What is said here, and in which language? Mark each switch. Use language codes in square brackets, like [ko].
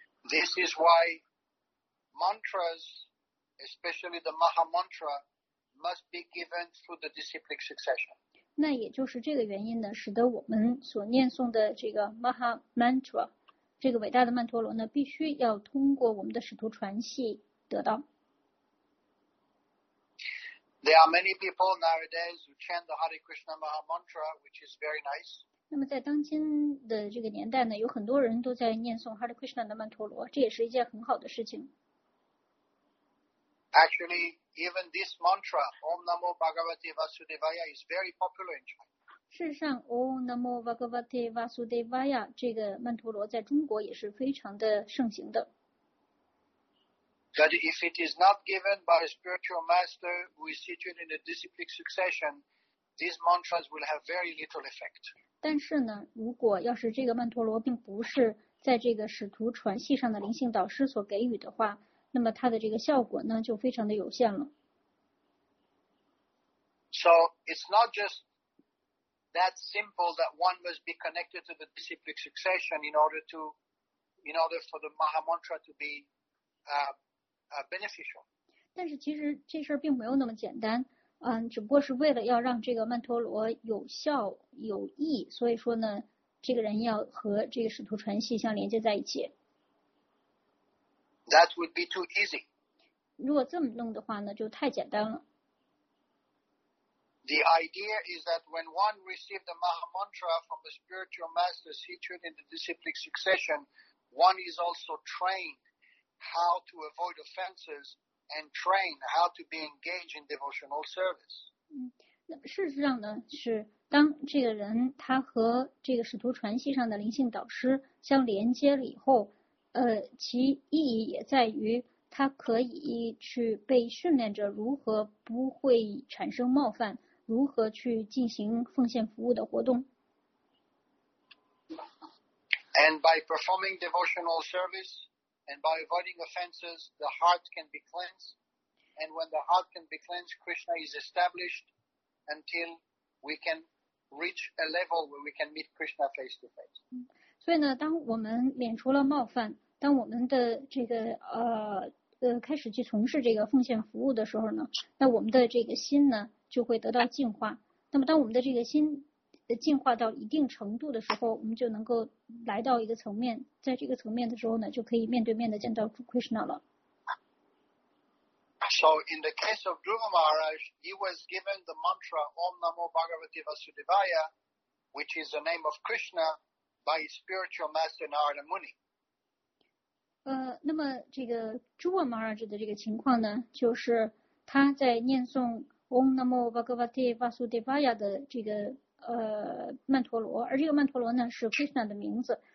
[en] This is why mantras, especially the Maha Mantra,must be given through the disciplic succession. [zh] 那也就是这个原因呢，使得我们所念诵的这个 Maha Mantra, 这个伟大的曼陀罗呢，必须要通过我们的使徒传系得到。 [en] There are many people nowadays who chant the Hare Krishna Maha Mantra, which is very nice. [zh] 那么在当今的这个年代呢，有很多人都在念诵 Hare Krishna 的曼陀罗，这也是一件很好的事情。 [en] Actually,Even this mantra, Om Namo Bhagavate Vasudevaya, is very popular in China. [zh] 事实上 Om Namo Bhagavate Vasudevaya 这个曼陀罗在中国也是非常的盛行的。 [en] But if it is not given by a spiritual master who is situated in a disciplic succession, these mantras will have very little effect. [zh] 但是呢，如果要是这个曼陀罗并不是在这个使徒传系上的灵性导师所给予的话，那么它的这个效果呢就非常的有限了。 [en] So it's not just that simple that one must be connected to the disciplic succession in order for the Maha Mantra to be beneficial. [zh] 但是其实这事儿并没有那么简单，只不过是为了要让这个曼陀罗有效有益，所以说呢这个人要和这个使徒传系相连接在一起。 [en] That would be too easy. [zh] 如果这么弄的话呢，就太简单了。 [en] The idea is that when one receives the Maha Mantra from the spiritual master situated in the disciplic succession, one is also trained how to avoid offenses and trained how to be engaged in devotional service. [zh] 那事实上呢，是当这个人他和这个使徒传系上的灵性导师相连接了以后，其意义也在于他可以去被训练着如何不会产生冒犯，如何去进行奉献服务的活动。 [en] And by performing devotional service and by avoiding offenses, the heart can be cleansed. And when the heart can be cleansed, Krishna is established until we can reach a level where we can meet Krishna face to face. [zh] 所以呢，当我们免除了冒犯，当我们的这个开始去从事这个奉献服务的时候呢，那我们的这个心呢就会得到净化。那么当我们的这个心净化到一定程度的时候，我们就能够来到一个层面，在这个层面的时候呢，就可以面对面的见到主 Krishna 了。 [en] So in the case of Dhruva Maharaj, he was given the mantra Om Namo Bhagavate Vasudevaya, which is the name of Krishna, by his spiritual master Narada Muni. [zh] 那么这个 Dhruva Maharaj 的这个情况呢，就是他在念诵 Om Namo Bhagavate Vasudevaya 的这个曼陀罗，而这个曼陀罗呢是 Krishna 的名字。